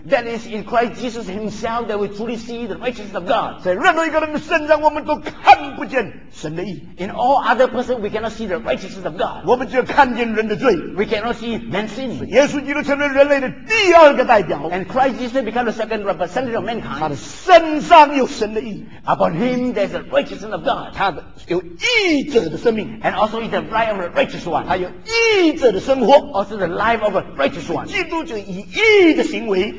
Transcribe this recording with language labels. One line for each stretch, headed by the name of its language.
English: That is in Christ Jesus Himself that we truly see the righteousness of God.
Chinese: 在任何一个人的身上，我们都看不见神的义。
English: In all other persons, we cannot see the righteousness of God.
Chinese: 我们只看见人的罪。
English: We cannot see man's sin.
Chinese: 耶稣基督成为人类的第二个代表。
English: And Christ Jesus became the second representative of mankind.
Chinese: 他的身上有神的义。
English: Upon him, there's the righteousness of God.
Chinese: 他有义者的生命。
English: And also is the life of a righteous one.
Chinese: 他有义者的生活。
English: Also the life of a righteous one.
Chinese: 基督就以义的行为。